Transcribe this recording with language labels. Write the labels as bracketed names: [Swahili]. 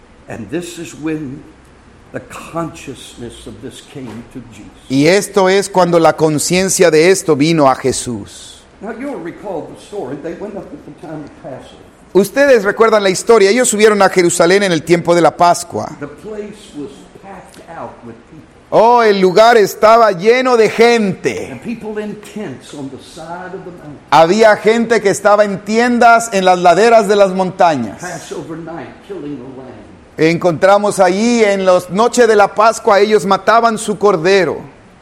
[English] And this is when the consciousness of this came to Jesus. [Spanish] Y esto es cuando la conciencia de esto vino a Jesús. [English] Now you'll recall the story. They went up at the time of Passover. [Spanish] Ustedes recuerdan la historia. Ellos subieron a Jerusalén en el tiempo de la Pascua. [English] The place was packed out with people. [Spanish] Oh, el lugar estaba lleno de gente. [English] And people in tents on the side of the mountain. [Spanish] Había gente que estaba en tiendas en las laderas de las montañas. [English] Passover night, killing the lamb. [Spanish] Encontramos allí en la noche de la Pascua, ellos mataban su cordero.